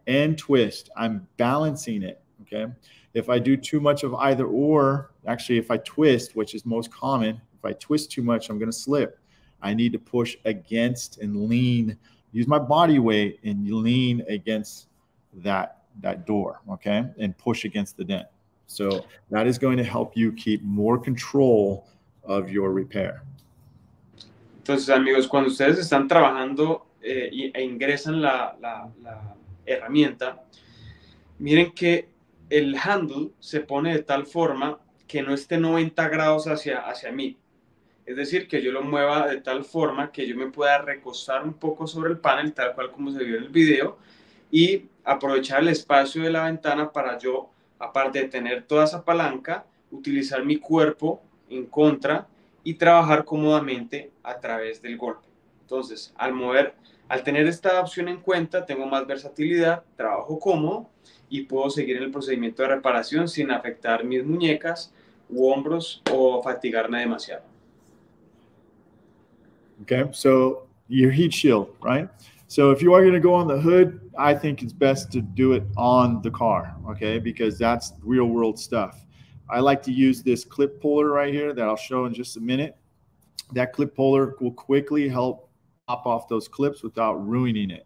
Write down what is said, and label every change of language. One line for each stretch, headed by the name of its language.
English: And twist. I'm balancing it. Okay. If I do too much of either or, actually, if I twist, which is most common, if I twist too much, I'm going to slip. I need to push against and lean, use my body weight and lean against that door, okay, and push against the dent. So that is going to help you keep more control of your repair.
Spanish: Entonces, amigos, cuando ustedes están trabajando e ingresan la herramienta, miren que el handle se pone de tal forma que no esté 90 grados hacia mí. Es decir, que yo lo mueva de tal forma que yo me pueda recostar un poco sobre el panel, tal cual como se vio en el video, y aprovechar el espacio de la ventana para yo, aparte de tener toda esa palanca, utilizar mi cuerpo en contra y trabajar cómodamente a través del golpe. Entonces, al tener esta opción en cuenta, tengo más versatilidad, trabajo cómodo y puedo seguir en el procedimiento de reparación sin afectar mis muñecas u hombros o fatigarme demasiado.
English: Okay, so your heat shield, right? So if you are going to go on the hood, I think it's best to do it on the car, okay? Because that's real world stuff. I like to use this clip puller right here that I'll show in just a minute. That clip puller will quickly help pop off those clips without ruining it.